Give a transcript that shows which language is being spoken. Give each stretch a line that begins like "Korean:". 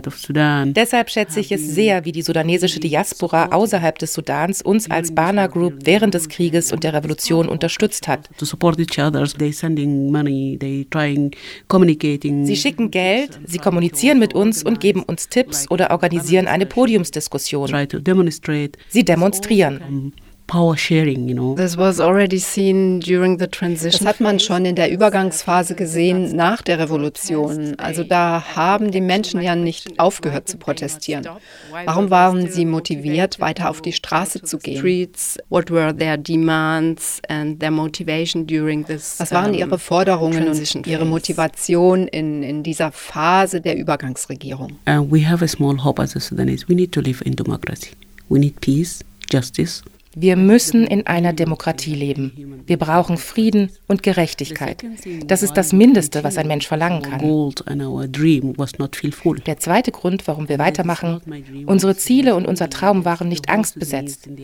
German: Deshalb schätze ich es sehr, wie die sudanesische Diaspora außerhalb des Sudans uns als Bana Group während des Krieges und der Revolution unterstützt hat. Sie schicken Geld, sie kommunizieren mit uns und geben uns Tipps oder organisieren eine Podiumsdiskussion. Sie demonstrieren.
English: Power sharing, you know. This was already seen during the transition.
German: Das hat man schon in der Übergangsphase gesehen nach der Revolution. Also da haben die Menschen ja nicht aufgehört zu protestieren. Warum waren sie motiviert, weiter auf die Straße zu gehen?
English: What were their demands and their motivation during this?
German: Was waren ihre Forderungen und ihre Motivation in dieser Phase der Übergangsregierung?
English: We have a small hope as a Sudanese. We need to live in democracy. We need peace, justice.
German: Wir müssen in einer Demokratie leben. Wir brauchen Frieden und Gerechtigkeit. Das ist das Mindeste, was ein Mensch verlangen kann. Der zweite Grund, warum wir weitermachen, unsere Ziele und unser Traum waren nicht angstbesetzt.